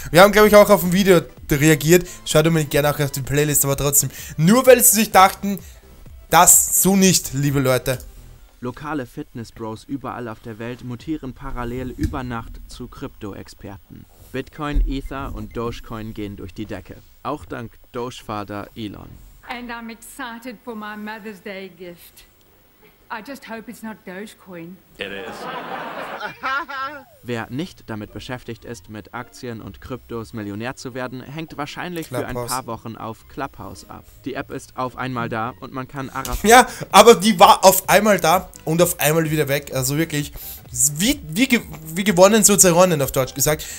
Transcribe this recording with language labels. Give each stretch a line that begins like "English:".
German: Wir haben, glaube ich, auch auf ein Video reagiert. Schaut mir gerne auch auf die Playlist, aber trotzdem. Nur weil sie sich dachten, das so nicht, liebe Leute. Lokale Fitness-Bros überall auf der Welt mutieren parallel über Nacht zu Krypto-Experten. Bitcoin, Ether und Dogecoin gehen durch die Decke. Auch dank Doge-Vater Elon.
English: And I'm excited for my Mother's Day gift. I just hope it's not Dogecoin. It is.
German: Wer nicht damit beschäftigt ist, mit Aktien und Kryptos Millionär zu werden, hängt wahrscheinlich Clubhouse. Für ein paar Wochen auf Clubhouse ab. Die App ist auf einmal da und man kann ja, aber die war auf einmal da und auf einmal wieder weg. Also wirklich, wie gewonnen, so zerronnen auf Deutsch gesagt.